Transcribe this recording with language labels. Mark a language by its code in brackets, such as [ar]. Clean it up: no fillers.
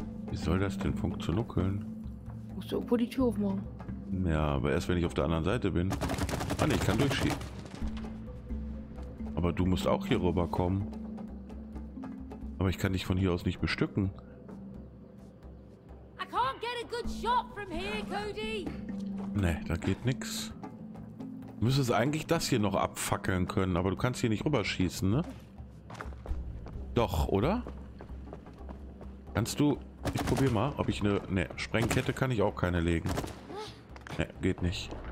[de] Wie soll das denn funktionieren? Musst du irgendwo die Tür aufmachen. Ja, aber erst, wenn ich auf der anderen Seite bin. Ah, ne, ich kann durchschieben. Aber du musst auch hier rüber kommen. Aber ich kann dich von hier aus nicht bestücken. [en] I can't get a good shot from here, Cody. [de] Nee, da geht nix. Du müsstest eigentlich das hier noch abfackeln können, aber du kannst hier nicht rüberschießen, ne? Doch, oder? Kannst du... Ich probier mal, ob ich eine... Ne, Sprengkette kann ich auch keine legen. Ne, geht nicht.